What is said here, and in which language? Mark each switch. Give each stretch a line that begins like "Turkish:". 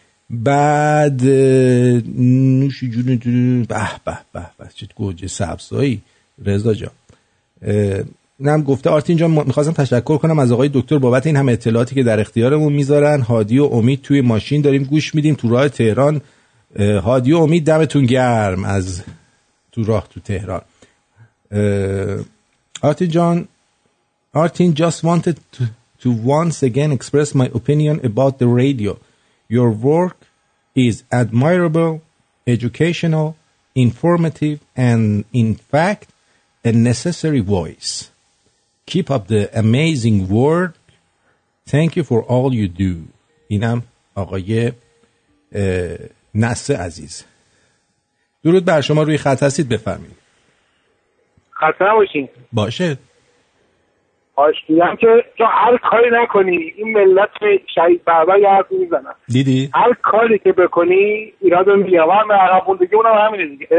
Persian: بعد نوش جون به به به چه گوجه سبزایی رضا جان. نم گفته آرتین جان میخواستم تشکر کنم از آقای دکتر بابت این همه اطلاعاتی که در اختیارمون میذارن. هادی و امید توی ماشین داریم گوش میدیم تو راه تهران. هادی و امید دمتون گرم از تو راه تو تهران.
English: آرتین جان آرتین just wanted to once again express my opinion about the radio. Your work is admirable, educational, informative, and in fact, a necessary voice. Keep up the amazing work. Thank you for all you do.
Persian: اینم آقای نصر عزیز. درود بر شما، روی خط هستید، بفرمایید. خسته نباشین. باشه. آشتیم که تو هر کاری نکنی این ملت شهید بابا یه حرف میزنن. دیدی؟ هر کاری که بکنی ایراد میگیرم. هم عربون دیگه اونم همینه دیگه.